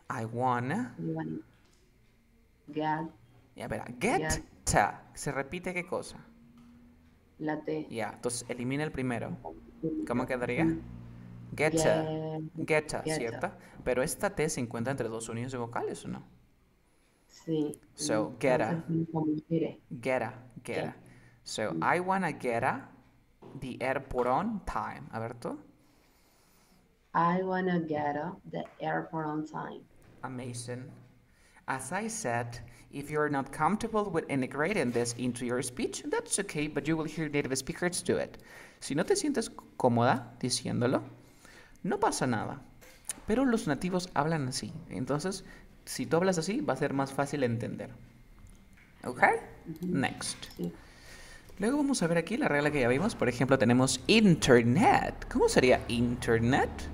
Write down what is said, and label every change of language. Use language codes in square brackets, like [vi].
[en] I wanna. [es] Ya verá, [en] get get [es] to. ¿Se repite qué cosa? la T. Ya, entonces elimina el primero. ¿Cómo quedaría? [en] Get to. Get to, [es] ¿cierto? Pero esta T se encuentra entre dos sonidos de vocales, ¿o no? Sí, [en] So, [es] entonces me confundiré. [en] get a. So, I wanna get a the airport on time. [es] A ver tú. [en] Wanna get the airport on time. Amazing. As I said, if you're not comfortable with integrating this into your speech, that's okay, but you will hear native speakers do it. [es] Si no te sientes cómoda diciéndolo, no pasa nada. Pero los nativos hablan así. Entonces, si tú hablas así, va a ser más fácil entender. Ok, next. Luego vamos a ver aquí la regla que ya vimos. Por ejemplo, tenemos internet. ¿Cómo sería internet?